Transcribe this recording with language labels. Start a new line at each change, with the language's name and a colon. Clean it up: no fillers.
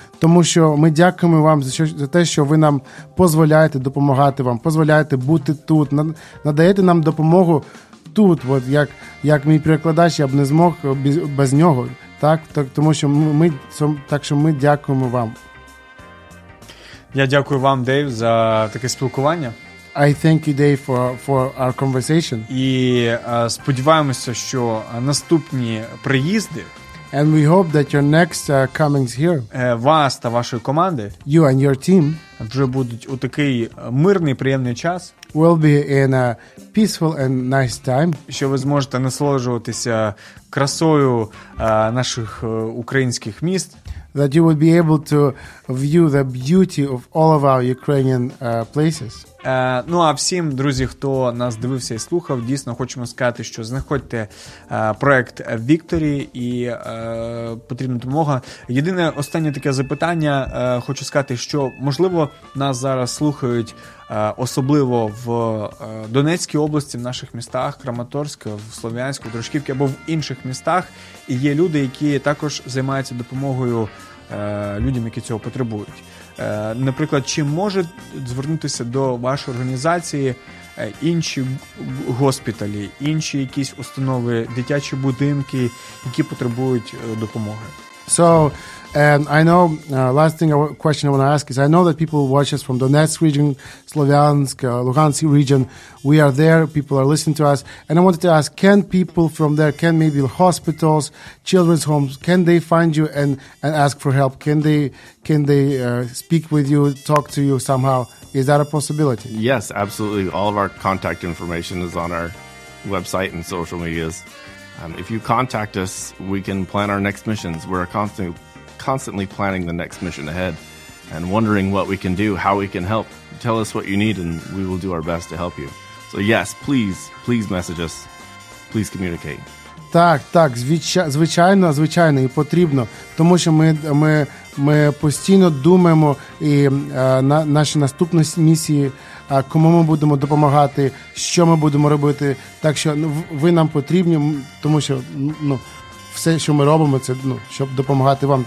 Ukrainian: Тому що ми дякуємо вам за те, що ви нам дозволяєте допомагати вам, дозволяєте бути тут, надаєте нам допомогу тут, от як мій перекладач, я б не змог без нього. Так, тому що ми дякуємо вам. Я дякую вам, Дейв, за таке спілкування.
English: I thank you, Dave, for our conversation.
Ukrainian: І сподіваємося, що наступні приїзди.
English: And we hope that your next comings here,
Ukrainian: вас та вашої команди,
English: you and your team,
Ukrainian: вже будуть у такий мирний, приємний час,
English: will be in a peaceful and nice time,
Ukrainian: що ви зможете насолоджуватися красою наших українських міст,
English: that you would be able to view the beauty of all of our Ukrainian places.
Ukrainian: Ну, а всім, друзі, хто нас дивився і слухав, дійсно хочемо сказати, що знаходьте проект Victory і потрібна допомога. Єдине останнє таке запитання, хочу сказати, що, можливо, нас зараз слухають особливо в Донецькій області, в наших містах, Краматорську, в Слов'янську, Дружківці або в інших містах, і є люди, які також займаються допомогою людям, які цього потребують. Наприклад, чи може звернутися до вашої організації інші госпіталі, інші якісь установи, дитячі будинки, які потребують допомоги?
English: So, I know, last thing, question I want to ask is, I know that people watch us from Donetsk region, Slovansk, Luhansk region, we are there, people are listening to us, and I wanted to ask, can people from there, can maybe hospitals, children's homes, can they find you and ask for help? Can they speak with you, talk to you somehow? Is that a possibility? Yes, absolutely. All of our contact information is on our website and social medias. If you contact us, we can plan our next missions. We're constantly planning the next mission ahead and wondering what we can do, how we can help. Tell us what you need and we will do our best to help you. So yes, please message us. Please communicate.
Ukrainian: Так, звичайно, і потрібно, тому що ми постійно думаємо і наші наступні місії, кому ми будемо допомагати, що ми будемо робити. Так що ви нам потрібні, тому що все, що ми робимо, це щоб допомагати вам.